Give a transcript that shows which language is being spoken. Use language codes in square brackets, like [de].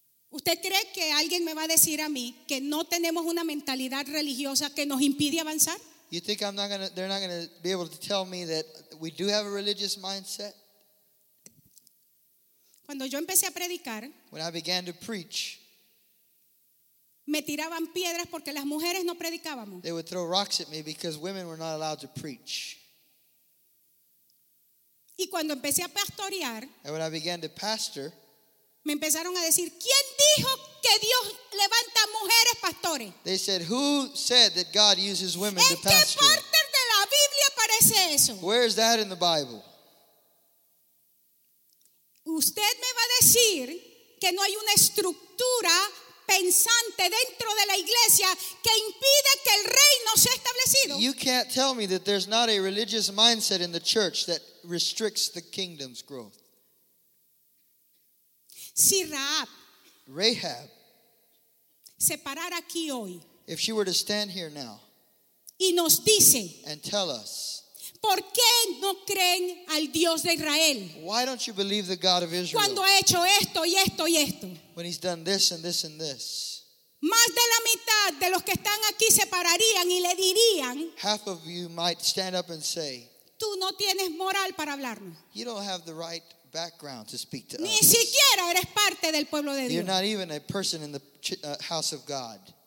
[es] ¿Usted cree que alguien me va a decir a mí que no tenemos una mentalidad religiosa que nos impide avanzar? [en] You think they're not going to be able to tell me that we do have a religious mindset? [es] Cuando yo empecé a predicar, [en] when I began to preach, [es] me tiraban piedras porque las mujeres no predicábamos. [en] They would throw rocks at me because women were not allowed to preach. [es] Y cuando empecé a pastorear, [en] and when I began to pastor, [es] me empezaron a decir, ¿quién dijo que Dios levanta mujeres pastores? [en] They said, who said that God uses women to pastor? [es] ¿En qué parte de la Biblia aparece eso? [en] Where is that in the Bible? [es] Usted me va a decir que no hay una estructura pensante dentro de la iglesia que impide que el reino sea establecido. [en] You can't tell me that there's not a religious mindset in the church that restricts the kingdom's growth. [es] Si Rahab, [en] Rahab [es] se parara aquí hoy, [en] if she were to stand here now, [es] y nos dice, [en] and tell us, [es] ¿por qué no creen al Dios de Israel? [en] Why don't you believe the God of Israel? [es] Cuando ha hecho esto y esto y esto. [en] When he's done this and this and this. [es] Más de la mitad de los que están aquí se pararían y le dirían, [en] half of you might stand up and say, [es] tú no tienes moral para hablarnos. [en] You don't have the right background to speak to [es] ni [en] us. [es] Siquiera eres parte del pueblo de Dios. [en] You're not even a person in the house of God.